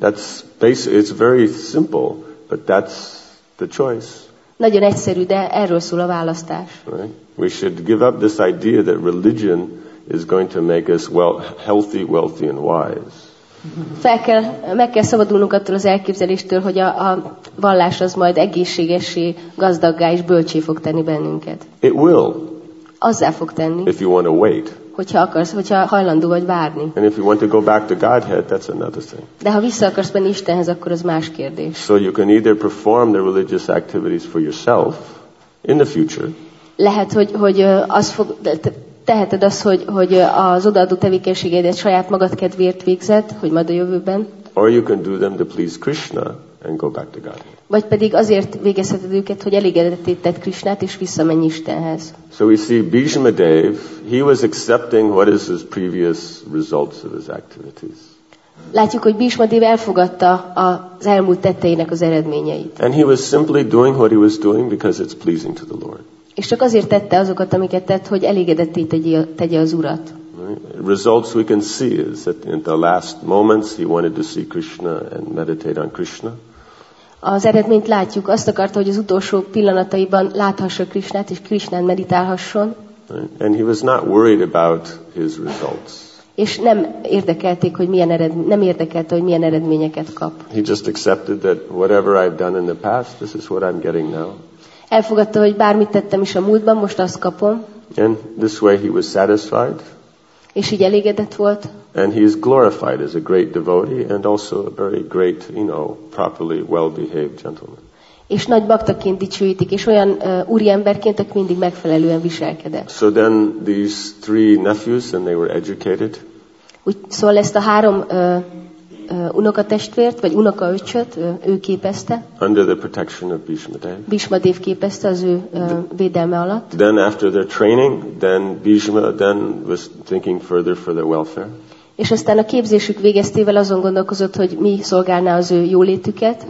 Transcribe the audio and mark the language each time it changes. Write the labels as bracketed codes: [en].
[en] That's basic, it's very simple, but that's the choice. [hu] Nagyon egyszerű, de erről szól a választás. [en] Right? We should give up this idea that religion is going to make us well, healthy, wealthy and wise. [hu] Meg kell szabadulnunk attól az elképzeléstől, hogy a vallás az majd egészségessé, gazdaggá és bölcsé fog tenni bennünket. [en] It will. [hu] Azzá fog tenni. [en] If you want to wait. [hu] Hogyha akarsz, hogyha hajlandó vagy várni. [en] And if you want to go back to Godhead, that's another thing. [hu] De ha vissza akarsz menni Istenhez, akkor az más kérdés. [en] So you can either perform the religious activities for yourself in the future. [hu] Lehet, hogy az fog, teheted azt, hogy az odaadó tevékenységedet saját magad kedvéért végzed, hogy majd a jövőben. [en] Or you can do them to please Krishna and go back to Godhead. [hu] Vagy pedig azért végezheted őket, hogy elégedetté tett Krishnát, és visszamenj Istenhez. [en] So we see Bhishma Dev, he was accepting what is his previous results of his activities. [hu] Látjuk, hogy Bhishma Dev elfogadta az elmúlt tetteinek az eredményeit. [en] And he was simply doing what he was doing because it's pleasing to the Lord. [hu] És csak azért tette azokat, amiket tett, hogy elégedetté tegye az Urat. [en] Right. Results we can see is that in the last moments he wanted to see Krishna and meditate on Krishna. [hu] Az eredményt látjuk, azt akarta, hogy az utolsó pillanataiban láthassa Krishnát és Krishnán meditálhasson. [en] Right. And he was not worried about his results. [hu] És nem érdekelték, hogy milyen eredményeket kap. [en] He just accepted that whatever I've done in the past, this is what I'm getting now. [hu] Elfogadta, hogy bármit tettem is a múltban, most azt kapom. [en] And this way he was satisfied. [hu] És így elégedett volt. [en] And he is glorified as a great devotee and also a very great, you know, properly well-behaved gentleman. [hu] és nagy baktaként dicsőítik, és olyan úriemberként, aki mindig megfelelően viselkedett. [en] So then these three nephews, and they were educated. [hu] Úgy, szóval ezt a három unokatestvért, vagy unokaöcsöt ő képezte. [en] Under the protection of Bhishma Dev. [hu] Bhishma Dev képezte az ő védelme alatt. [en] Then after their training, then Bhishma then was thinking further for their welfare. [hu] És aztán a képzésük végeztével azon gondolkozott, hogy mi szolgálná az ő jólétüket.